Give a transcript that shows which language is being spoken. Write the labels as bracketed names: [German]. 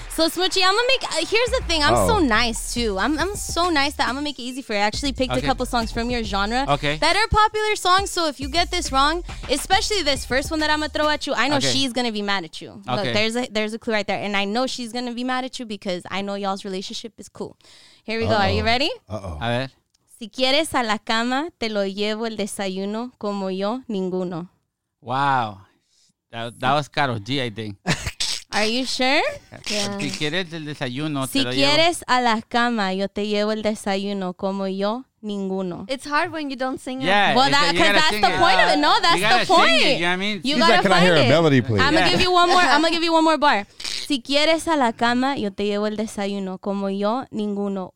[English] So, Smoochie, I'm going to make... Here's the thing. I'm so nice, too. I'm so nice that I'm going to make it easy for you. I actually picked a couple songs from your genre. Okay. That are popular songs. So, if you get this wrong, especially this first one that I'm going to throw at you, I know she's going to be mad at you. Okay. Look, there's a clue right there. And I know she's going to be mad at you because I know y'all's relationship is cool. Here we go. Are you ready? Uh-oh. [Spanish] A ver. Si quieres a la cama, te lo llevo el desayuno como yo, ninguno. [English] Wow. That was Karol G, I think. Are you sure? [Spanish] Si quieres el desayuno, si quieres a la cama, yo te llevo el desayuno como yo, ninguno. [English] It's hard when you don't sing it. Yeah. Well, that's the point of it. No, that's the point. You gotta sing it. You gotta find it. Can I hear a melody, please? I'm gonna give you one more bar. [Spanish] Si quieres a la cama, yo te llevo el desayuno como yo, ninguno.